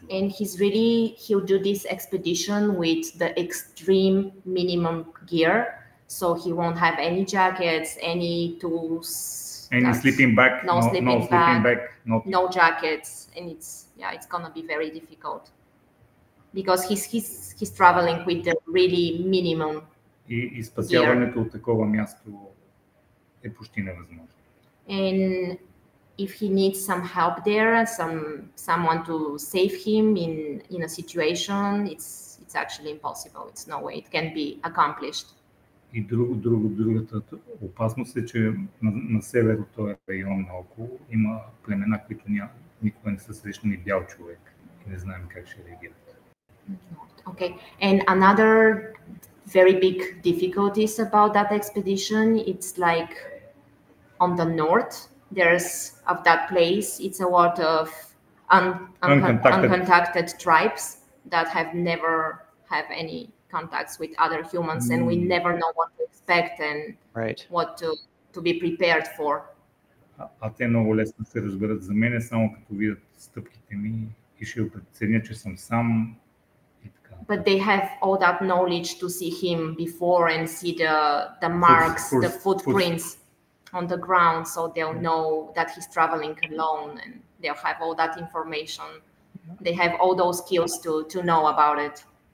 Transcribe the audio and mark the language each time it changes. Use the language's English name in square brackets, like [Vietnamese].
[English] And he'll do this expedition with the extreme minimum gear, so he won't have any jackets, any tools, any sleeping bag, no jackets, and it's gonna be very difficult, because he's traveling with the really minimum. [Bulgarian] И спасяването от такова място е почти невъзможно. [English] And if he needs some help there, someone to save him in a situation, it's actually impossible. It's no way it can be accomplished. [Bulgarian] И другата опасност е, че на север от този район наоколо има племена, които никога не са срещнали бял човек. И не знаем как ще реагират. [English] Okay. And another very big difficulties about that expedition, it's like on the north, there's of that place, it's a lot of uncontacted tribes that have never have any contacts with other humans, and we never know what to expect and right what to be prepared for. [Bulgarian] А те много лесно се разберат за мене, само като видят стъпките ми и ще преценят, че съм сам. [English] But they have all that knowledge to see him before and see the marks, the footprints on the ground, so they'll know that he's traveling alone, and they'll have all that information. They have all those skills to know about it.